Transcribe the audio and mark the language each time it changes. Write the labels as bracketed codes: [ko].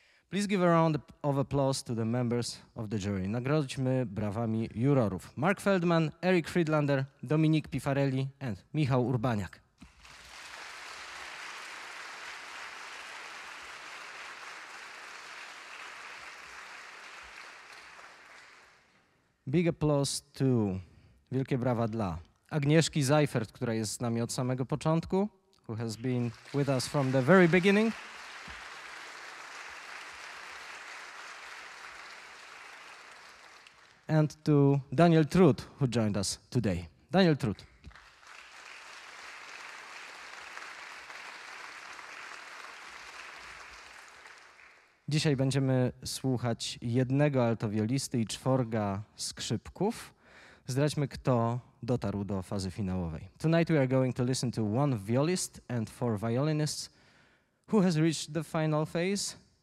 [en] Please give a round of applause to the members of the jury. [pl] Nagrodźmy brawami jurorów. Mark Feldman, Eric Friedlander, Dominik Pifarelli and Michał Urbaniak. [en] Big applause to, [pl] wielkie brawa dla Agnieszki Seifert, która jest z nami od samego początku, [en] who has been with us from the very beginning. And to Daniel Trout, who joined us today. Daniel Trout. [pl] Dzisiaj będziemy słuchać jednego altowiolisty i czworga skrzypków. Zdradźmy, kto dotarł do fazy finałowej. [en] Tonight we are going to listen to one violist and four violinists. Who has reached the final phase?